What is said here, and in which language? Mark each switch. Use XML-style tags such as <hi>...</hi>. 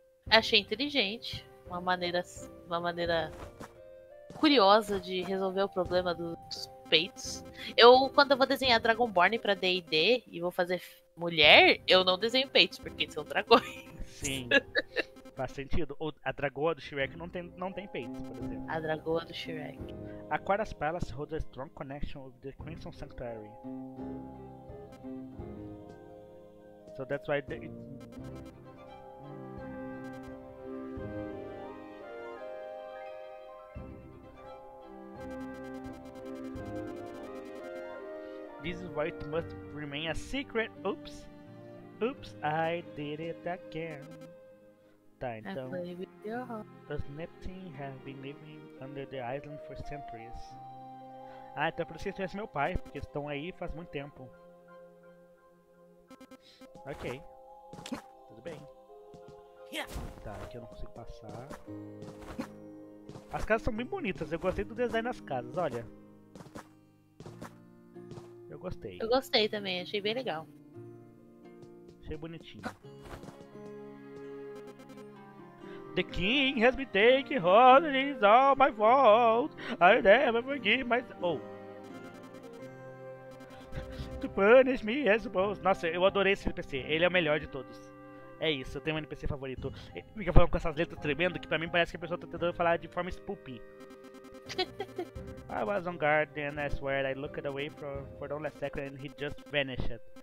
<pt>Achei inteligente, uma maneira curiosa de resolver o problema dos peitos. Eu, quando eu vou desenhar Dragonborn pra D&D e vou fazer mulher, eu não desenho peitos, porque são dragões. Sim, faz sentido. Ou a dragoa do Shrek não tem peitos, por exemplo. A dragoa do Shrek.</pt> <en>Aquarius Palace holds a strong connection with the Crimson Sanctuary. So that's why they... This vault must remain a secret. Oops. Oops, I did it again.</en> <pt>Tá, então.</pt> <en>Os Neptune have been living under the island for centuries.</en> <pt>Ah, então é por isso que eu conheço meu pai, porque estão aí faz muito tempo. Ok. Tudo bem. Tá, aqui eu não consigo passar. As casas são bem bonitas, eu gostei do design das casas, olha. Eu gostei. Eu gostei também, achei bem legal. Achei bonitinho.</pt> <en>The king has been taken hostage, it's all my fault. I never forgive my... Oh. To punish me, I suppose.</en> <pt>Nossa, eu adorei esse NPC, ele é o melhor de todos. É isso, eu tenho um NPC favorito. Ele fica falando com essas letras tremendo, que pra mim parece que a pessoa tá tentando falar de forma spoopy.</pt> <en>I was on guard and I swear I looked away for only a second and he just vanished.</en>